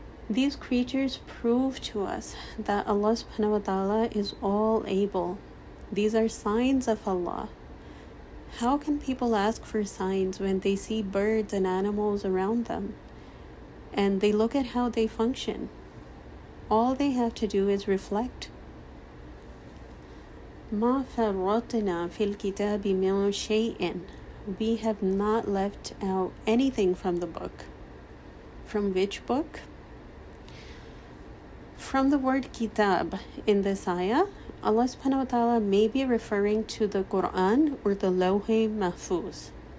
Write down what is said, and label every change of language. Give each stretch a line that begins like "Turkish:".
English: These creatures prove to us that Allah subhanahu wa ta'ala is all able. These are signs of Allah. How can people ask for signs when they see birds and animals around them and they look at how they function? All they have to do is reflect.
Arabic: ما فرطنا في الكتاب من شيء.
English: We have not left out anything from the book. From which book? From the word kitab in this ayah, Allah subhanahu wa ta'ala may be referring to the Quran or the Lawhi Mahfuz.